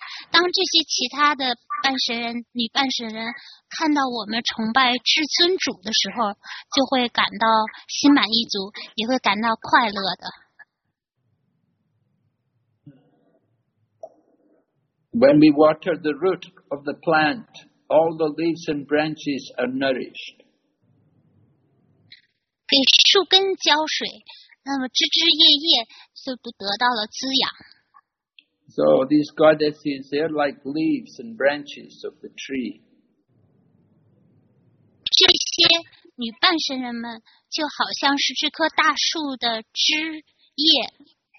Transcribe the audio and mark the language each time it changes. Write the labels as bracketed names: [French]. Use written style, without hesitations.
[Chinese] 当这些其他的半神人、女半神人看到我们崇拜至尊主的时候，就会感到心满意足，也会感到快乐的。 [English] When we water the root of the plant, all the leaves and branches are nourished. [Chinese] 给树根浇水，那么枝枝叶叶就都得到了滋养。 [English] So these goddesses, they are like leaves and branches of the tree. [Chinese] 这些女半神人们就好像是这棵大树的枝叶。